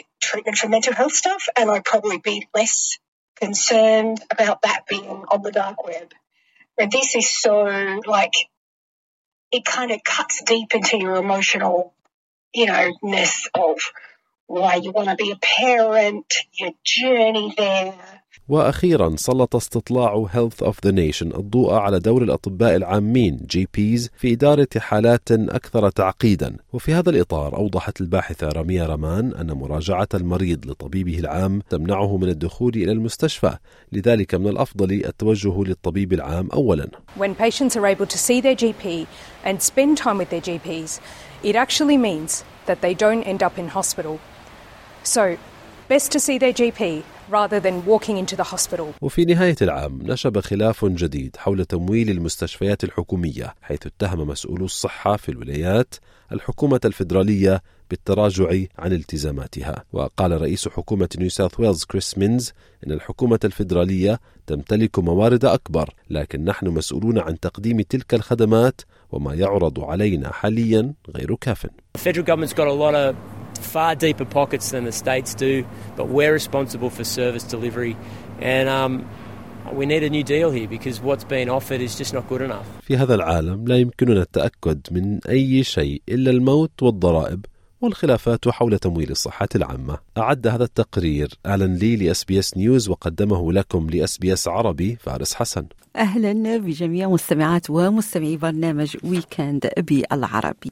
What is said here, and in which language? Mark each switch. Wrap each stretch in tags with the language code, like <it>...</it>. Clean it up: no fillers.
<en>Treatment for mental health stuff, and I'd probably be less concerned about that being on the dark web. But this is so, like, it kind of cuts deep into your emotional, ness of why you want to be a parent, your journey there.</en> <ar>وأخيرا سلط استطلاع Health of the Nation الضوء على دور الأطباء العامين GPs في إدارة حالات أكثر تعقيدا. وفي هذا الإطار أوضحت الباحثة رامية رمان أن مراجعة المريض لطبيبه العام تمنعه من الدخول إلى المستشفى، لذلك من الأفضل التوجه للطبيب العام أولا.</ar> <en>When patients are able to see their GP and spend time with their GPs, it actually means that they don't end up in hospital. So best to see their GP rather than walking into the hospital.</en> <ar>وفي نهاية العام نشب خلاف جديد حول تمويل المستشفيات الحكومية، حيث اتهم مسؤولو الصحة في الولايات الحكومة الفيدرالية بالتراجع عن التزاماتها. وقال رئيس حكومة نيو ساوث ويلز كريس مينز إن الحكومة الفيدرالية تمتلك موارد أكبر، لكن نحن مسؤولون عن تقديم تلك الخدمات، وما يعرض علينا حاليا غير كافٍ.</ar> <en>Federal government's got a lot of far deeper pockets than the states do, but we're responsible for service delivery, and we need a new deal here because what's being offered is just not good enough.</en> <ar>في هذا العالم لا يمكننا التأكد من أي شيء إلا الموت والضرائب والخلافات حول تمويل الصحة العامة. أعد هذا التقرير آلان لي لأس بي أس نيوز، وقدمه لكم لأس بي أس عربي فارس حسن. أهلا بجميع مستمعات ومستمعي برنامج ويكند بالعربي.</ar>